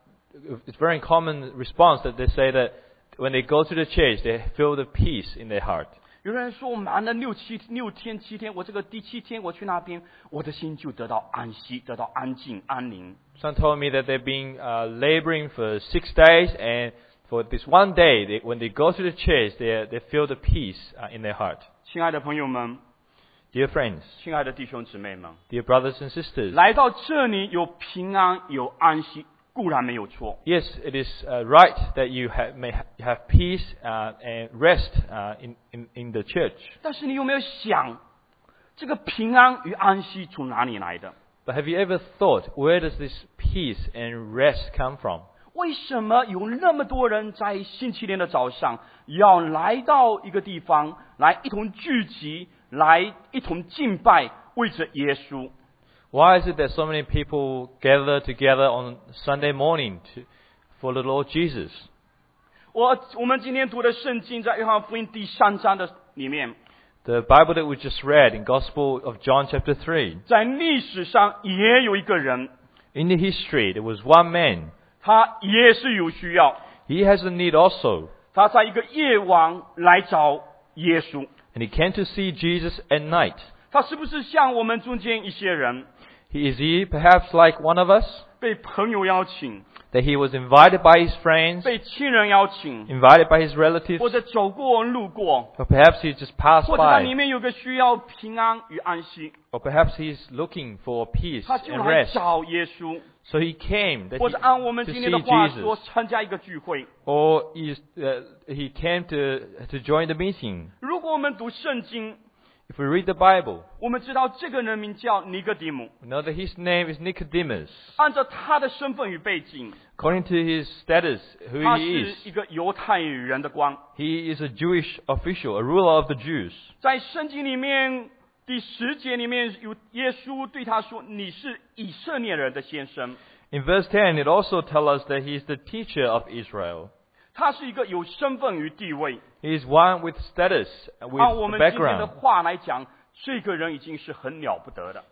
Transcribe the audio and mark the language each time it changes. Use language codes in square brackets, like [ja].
[en] It's very common response that they say that when they go to the church, they feel the peace in their heart. [zh] 有人说，忙了六天七天，我这个第七天我去那边，我的心就得到安息，得到安静安宁。 [en] Some told me that they've been laboring for 6 days and For this one day, when they go to the church, they feel the peace in their heart. [zh] 亲爱的朋友们 [en] ，Dear friends， [zh] 亲爱的弟兄姊妹们 [en] ，Dear brothers and sisters， [zh] 来到这里有平安有安息，固然没有错。 [en] Yes, it is right that you may have peace and rest in the church. [zh] 但是你有没有想，这个平安与安息从哪里来的 [en] ？But have you ever thought where does this peace and rest come from？ [zh] 为什么有那么多人在星期天的早上要来到一个地方来一同聚集来一同敬拜为着耶稣 [en] Why is it that so many people gather together on Sunday morning for the Lord Jesus? [zh] 我们今天读的圣经在约翰福音第三章的里面 [en] The Bible that we just read in Gospel of John chapter 3 [zh] 在历史上也有一个人 [en] In the history there was one man [zh] 他也是有需要。 [en] He has a need also. [zh] 他在一个夜晚来找耶稣。 [en] And he came to see Jesus at night. [zh] 他是不是像我们中间一些人 [en] ？Is he perhaps like one of us? [zh] 被朋友邀请。 [en] That he was invited by his friends. [zh] 被亲人邀请。 [en] Invited by his relatives. [zh] 或者走过路过。 [en] Or perhaps he just passed by. [zh] 或者他里面有个需要平安与安息。 [en] Or perhaps he's looking for peace and rest. [zh] 他就来找耶稣。 [en] So he came that he, [zh] 或者按我们今天的话说参加一个聚会 [en] Or he came to join the meeting [zh] 如果我们读圣经 [en] If we read the Bible [zh] 我们知道这个人名叫尼哥底母 [en] We know that his name is Nicodemus [zh] 按照他的身份与背景 [en] According to his status who he is [zh] 他是一个犹太人的官 [en] He is a Jewish official, a ruler of the Jews [zh] 在圣经里面第十节里面有耶稣对他说你是以色列人的先生 [en] In verse 10 it also tells us that he is the teacher of Israel [zh] 他是一个有身份与地位 [en] He is one with status with background [zh] 按我们今天的话来讲这个人已经是很了不得的